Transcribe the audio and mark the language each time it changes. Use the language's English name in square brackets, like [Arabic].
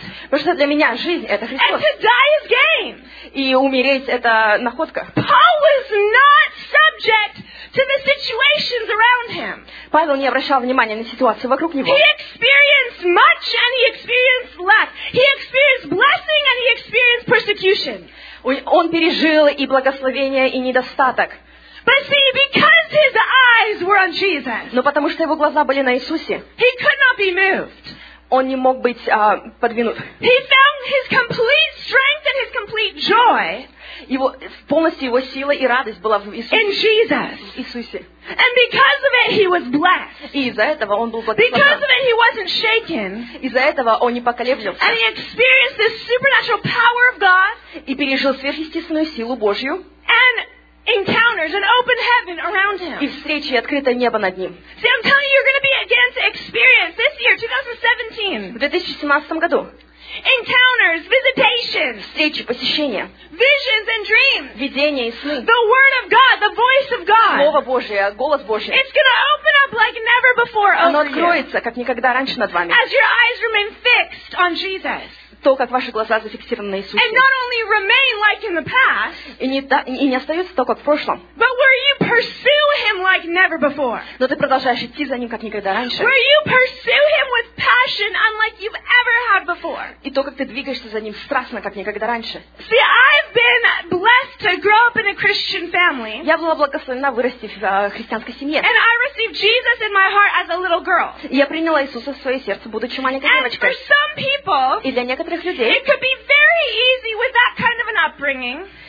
[Russian] Потому что для меня жизнь — это Христос. [English] And to die is gain. [Russian] И умереть — это находка. [English] Paul was not subject to the situations around him. [Russian] Павел не обращал внимания на ситуацию вокруг него. [English] He experienced much and he experienced less. He experienced blessing and he experienced persecution. [Russian] Он пережил и благословение, и недостаток. [English] But see, because his eyes were on Jesus. [Russian] Но потому что его глаза были на Иисусе. [English] He could not be moved. [Russian] Он не мог быть подвинут. [English] He found his complete strength and his complete joy. [Russian] Его, полностью его сила и радость была в Иисусе. [English] In Jesus. [Russian] В Иисусе. [English] And because of it, he was blessed. [Russian] И из-за этого он был [English] благословен. Because of it, he wasn't shaken. [Russian] Из-за этого он не поколеблялся. [English] And he experienced the supernatural power of God. [Russian] И пережил сверхъестественную силу Божью. [English] And encounters an open heaven around him. [Russian] И встречи, и открытое небо над ним. [English] See, I'm telling you, you're going to be again to experience this year, 2017. [Russian] В 2017 году. [English] Encounters, visitations. [Russian] Встречи, посещения. [English] Visions and dreams. [Russian] Видения и сны. [English] The word of God, the voice of God. [Russian] Слово Божие, голос Божий. [English] It's going to open up like never before. [Russian] Оно откроется, как никогда раньше над вами. [English] As your eyes remain fixed on Jesus. [Russian] То, как ваши глаза зафиксированы на Иисусе. [English] And not only remain like in the past, [Russian] и не остаются только в прошлом. [English] But where you pursue him like never before. [Russian] Но ты продолжаешь идти за ним, как никогда раньше. [English] Where you pursue him with passion, unlike you've ever had before. [Russian] И то, как ты двигаешься за ним страстно, как никогда раньше. [English] See, I've been blessed to grow up in a Christian family. [Russian] Я была благословена вырасти в христианской семье. [English] And I received Jesus in my heart as a little girl. [Russian] Я приняла Иисуса в свое сердце, будучи маленькой девочкой. [English] And for some people, [Russian] и для некоторых людей. [English] It could be very easy with that kind of an upbringing.